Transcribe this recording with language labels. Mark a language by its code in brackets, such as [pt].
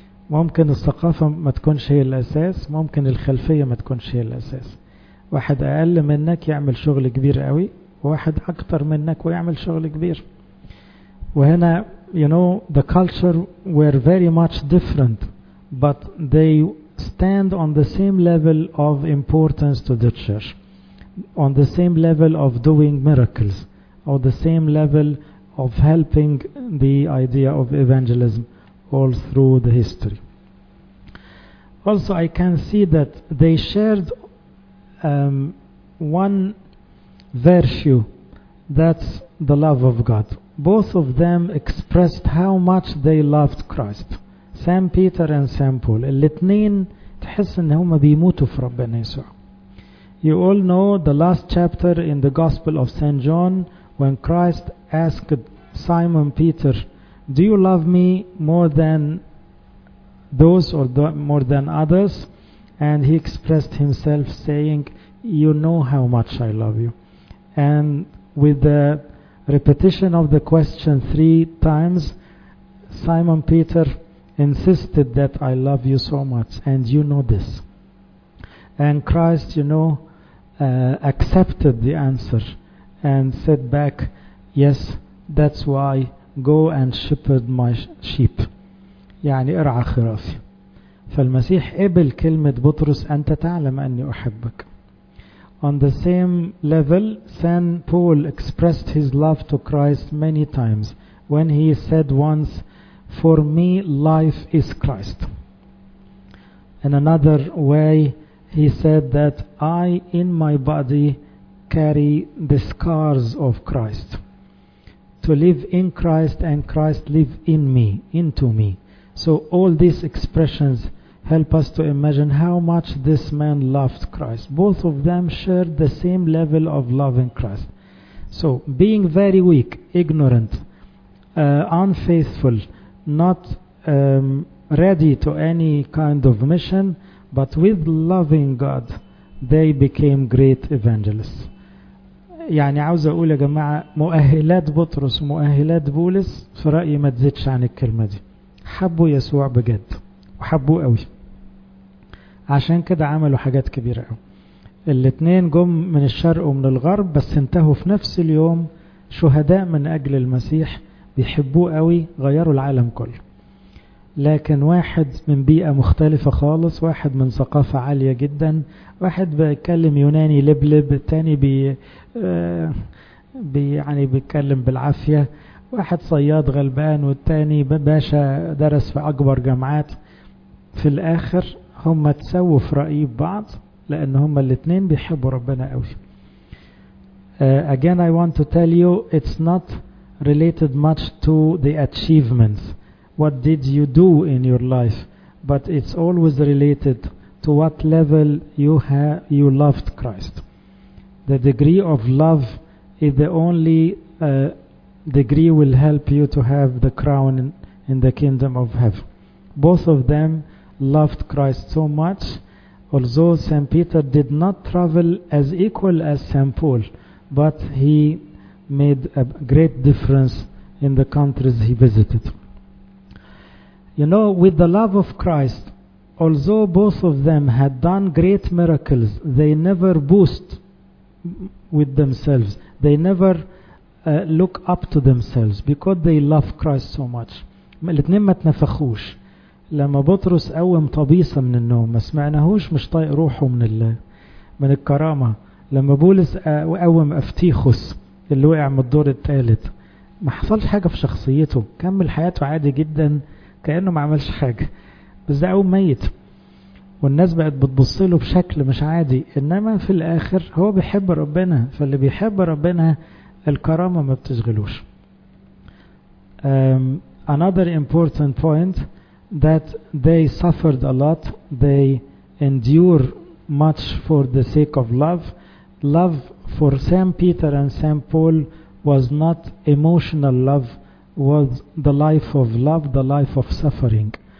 [ar] ممكن الثقافة ما تكونش هي الاساس, ممكن الخلفية ما تكونش هي الاساس. واحد اقل منك يعمل شغل كبير قوي, وواحد اكتر منك ويعمل شغل كبير. [en] وهنا you know the culture were very much different, but they stand on the same level of importance to the church, on the same level of doing miracles, or the same level of helping the idea of evangelism all through the history. Also, I can see that they shared one virtue, that's the love of God. Both of them expressed how much they loved Christ. Saint Peter and Saint Paul. [ar] الاثنين تحس ان هما بيموتوا في ربنا يسوع. [en] You all know the last chapter in the Gospel of Saint John, when Christ asked Simon Peter, "Do you love me more than those or more than others?" And he expressed himself saying, "You know how much I love you." And with the repetition of the question 3 times, Simon Peter insisted that I love you so much and you know this. And Christ, you know, accepted the answer and said back, yes, that's why, go and shepherd my sheep. [ar] يعني ارعى خرافي. فالمسيح قبل كلمة بطرس, أنت تعلم أني أحبك. [en] On the same level, Saint Paul expressed his love to Christ many times when he said once, for me life is Christ. In another way, he said that I in my body carry the scars of Christ. To live in Christ and Christ live in me, into me. So all these expressions help us to imagine how much this man loved Christ. Both of them shared the same level of loving Christ. So being very weak, ignorant, unfaithful, not ready to any kind of mission, but with loving God, they became great evangelists. [ar] يعني عاوز اقول يا جماعة, مؤهلات بطرس ومؤهلات بولس في رأيي ما تزيدش عن الكلمة دي. حبوا يسوع بجد وحبوا قوي, عشان كده عملوا حاجات كبيرة قوي. الاتنين جم من الشرق ومن الغرب, بس انتهوا في نفس اليوم شهداء من اجل المسيح, بيحبوه قوي, غيروا العالم كله. لكن واحد من بيئة مختلفة خالص, واحد من ثقافة عالية جدا, واحد بيتكلم يوناني لبلب, التاني يعني بيتكلم بالعافية, واحد صياد غلبان, والتاني باشا درس في أكبر جامعات. في الآخر هما تسووا في رأيي ببعض, لأن هما الاتنين بيحبوا ربنا قوي. [en] Again I want to tell you, it's not related much to the achievements. What did you do in your life? But it's always related to what level you loved Christ. The degree of love is the only degree will help you to have the crown in the kingdom of heaven. Both of them loved Christ so much, although Saint Peter did not travel as equal as Saint Paul, but he made a great difference in the countries he visited. You know, with the love of Christ, although both of them had done great miracles, they never boast with themselves. They never look up to themselves because they love Christ so much. [ar] الاثنين ما تنفخوش. لما بطرس قوم طبيصة من النوم, ما سمعناهوش مش طايق روحه من الكرامة. لما بولس قوم أفتيخوس اللي وقع من الدور الثالث, ما حصلش حاجة في شخصيته, كمل حياته عادي جدا كأنه ما عملش حاجة, بس ده قوم ميت والناس بقت بتبص له بشكل مش عادي. إنما في الآخر هو بيحب ربنا, فاللي بيحب ربنا الكرامة ما بتشغلوش. [en] another important point, that they suffered a lot, they endure much for the sake of love. Love for Saint Peter and Saint Paul was not emotional love, was the life of love, the life of suffering.